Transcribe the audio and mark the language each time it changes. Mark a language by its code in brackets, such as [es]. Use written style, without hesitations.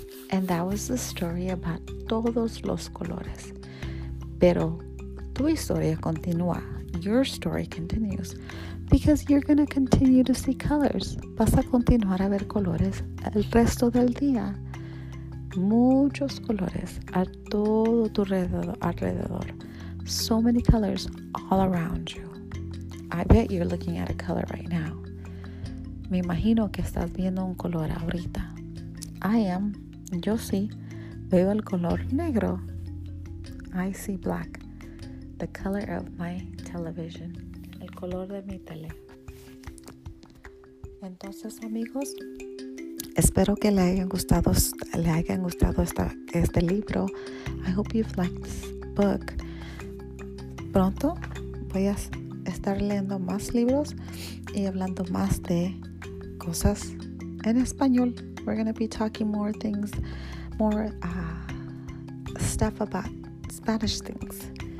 [en] And that was the story about [es] todos los colores. Pero tu historia continúa. [en] Your story continues. Because you're going to continue to see colors. [es] Vas a continuar a ver colores el resto del día. Muchos colores a todo tu alrededor. [en] so many colors all around you. I bet you're looking at a color right now. [es] Me imagino que estás viendo un color ahorita. [en] I am. [es] Yo sí. Veo el color negro. [en] I see black. The color of my television. [es] El color de mi tele. Entonces, amigos, espero que le hayan gustado este libro. [en] I hope you've liked this book. [es] Pronto voy a estar leyendo más libros y hablando más de cosas en español. [en] We're going to be talking more things, more stuff about Spanish things.